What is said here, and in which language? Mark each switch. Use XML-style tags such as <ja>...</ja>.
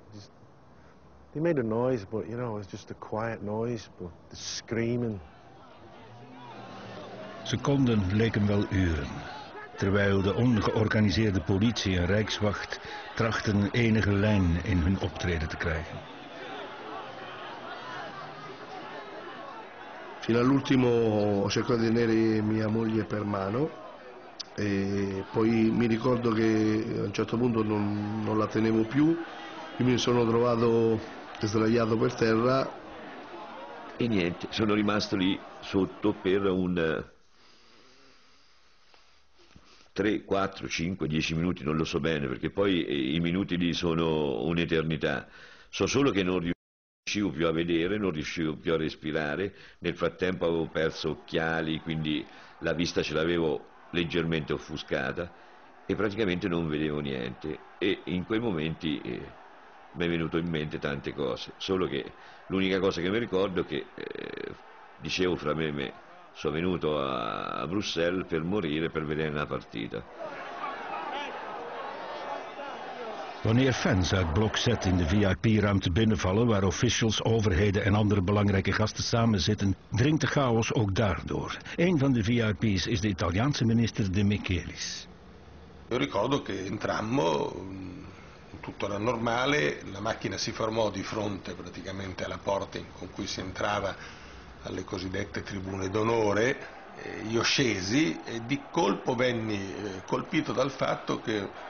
<en>Just, they made a noise, but you know, it's just a quiet noise, but the screaming.</en> <nl>Seconden leken wel uren, terwijl de ongeorganiseerde politie en Rijkswacht trachten enige lijn in hun optreden te krijgen.</nl> <it>Fino all'ultimo ho cercato di tenere mia moglie per mano e poi mi ricordo che a un certo punto non la tenevo più, io mi sono trovato sdraiato per terra e niente, sono rimasto lì sotto per un 3, 4, 5, 10 minuti, non lo so bene, perché poi i minuti lì sono un'eternità. So solo che non riuscivo più a vedere, non riuscivo più a respirare. Nel frattempo avevo perso occhiali, quindi la vista ce l'avevo leggermente offuscata e praticamente non vedevo niente. E in quei momenti mi è venuto in mente tante cose. Solo che l'unica cosa che mi ricordo è che dicevo fra me e me, sono venuto a Bruxelles per morire, per vedere una partita.</it> <nl>Wanneer fans uit blok Z in de VIP-ruimte binnenvallen, waar officials, overheden en andere belangrijke gasten samenzitten, dringt de chaos ook daardoor. Een van de VIP's is de Italiaanse minister De Michelis.</nl> <it>Io ricordo che entrammo, tutto era normale, la macchina si fermò di fronte praticamente alla porta con cui si entrava alle cosiddette tribune d'onore, io scesi e di colpo venni colpito dal fatto che</it>